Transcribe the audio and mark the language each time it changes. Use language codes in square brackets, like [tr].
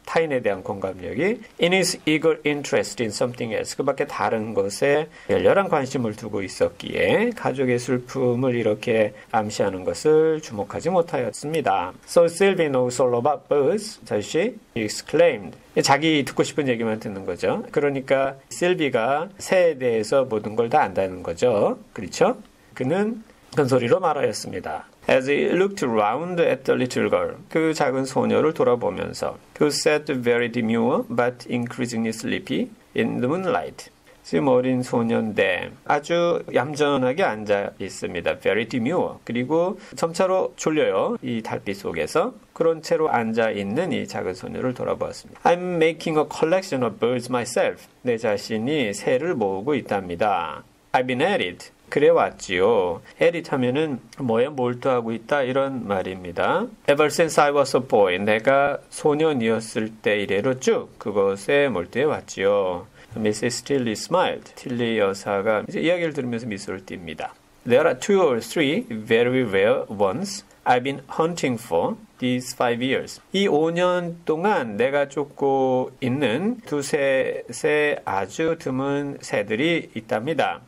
[ko] 타인에 대한 공감력이. [en] In his eager interest in something else. [ko] 그 밖에 다른 것에 열렬한 관심을 두고 있었기에 가족의 슬픔을 이렇게 암시하는 것을 주목하지 못하였습니다. [en] So Sylvie knows all about birds. [ko] 다시 [en] exclaimed. [ko] 자기 듣고 싶은 얘기만 듣는 거죠. 그러니까 실비가 새에 대해서 모든 걸다 안다는 거죠. 그렇죠? 그는 큰 소리로 말하였습니다. [en] As he looked round at the little girl, [ko] 그 작은 소녀를 돌아보면서, [en] who sat very demure but increasingly sleepy in the moonlight. [ko] 지금 어린 소녀인데 아주 얌전하게 앉아 있습니다. [en] Very demure. [ko] 그리고 점차로 졸려요. 이 달빛 속에서. 그런 채로 앉아 있는 이 작은 소녀를 돌아보았습니다. [en] I'm making a collection of birds myself. [ko] 내 자신이 새를 모으고 있답니다. [en] I've been at it. [ko] 그래 왔지요. Edit 하면은 뭐에 몰두하고 있다 이런 말입니다. [en] Ever since I was a boy, [ko] 내가 소년이었을 때 이래로 쭉 그것에 몰두해 왔지요. [en] Mrs. Tilly smiled. [ko] 틸리 여사가 이제 이야기를 들으면서 미소를 띱니다. [en] There are two or three very rare ones I've been hunting for these 5 years. [ko] 이 5년 동안 내가 쫓고 있는 두세 새 아주 드문 새들이 있답니다.